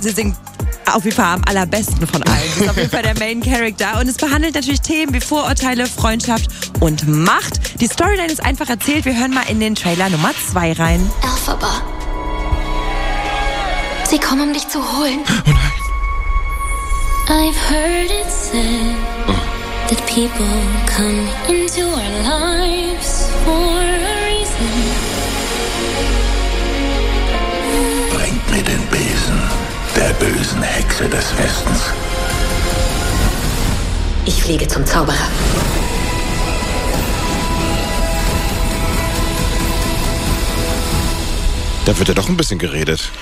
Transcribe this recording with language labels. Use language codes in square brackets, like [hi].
[de] Sie singt auf jeden Fall am allerbesten von allen. Sie ist auf jeden Fall der Main Character. Und es behandelt natürlich Themen wie Vorurteile, Freundschaft und Macht. Die Storyline ist einfach erzählt. Wir hören mal in den Trailer Nummer 2 rein. Elphaba. Sie kommen, um dich zu holen. Oh nein. [en] I've heard it said. That people come into our lives for a reason. [de] Bringt mir den Besen der bösen Hexe des Westens. Ich fliege zum Zauberer. Da wird ja doch ein bisschen geredet.